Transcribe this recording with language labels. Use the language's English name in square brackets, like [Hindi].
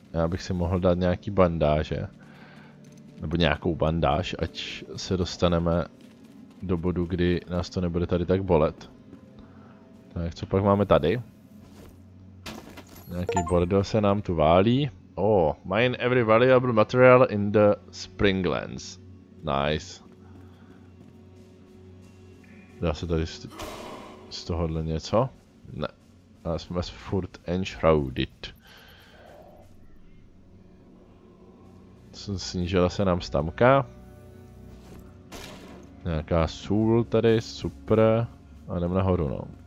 [Czech] Já bych si mohl dát nějaký bandáže. Nebo nějakou bandáž, ať se dostaneme do bodu, kdy nás to nebude tady tak bolet. Tak, co pak máme tady? Nějaký bordel se nám tu válí. [English] Oh, mine every valuable material in the Springlands. Nice. [Czech] Dá se tady z tohohle něco? Ne. A jsme furt enshrouded. Z snížila se nám stamka. Nějaká sůl tady, super. A jdem nahoru, no.